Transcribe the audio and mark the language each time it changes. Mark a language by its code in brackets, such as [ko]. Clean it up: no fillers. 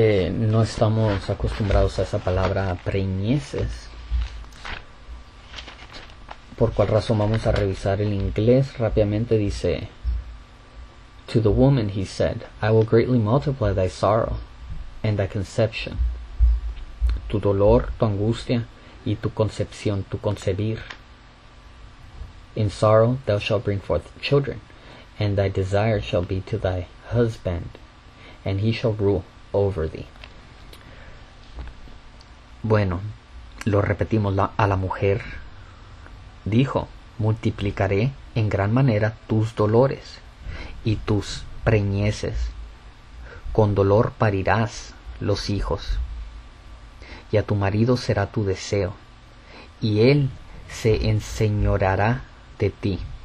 [es] No estamos acostumbrados a esa palabra preñeces. Por cuál razón vamos a revisar el inglés. Rápidamente dice, [en] to the woman he said, I will greatly multiply thy sorrow and thy conception. [es] Tu dolor, tu angustia y tu concepción, tu concebir. [en] In sorrow thou shalt bring forth children, and thy desire shall be to thy husband, and he shall rule over thee. [es] Bueno, lo repetimos, a la mujer dijo, multiplicaré en gran manera tus dolores y tus preñeces. Con dolor parirás los hijos. Y a tu marido será tu deseo, y él se enseñoreará de ti.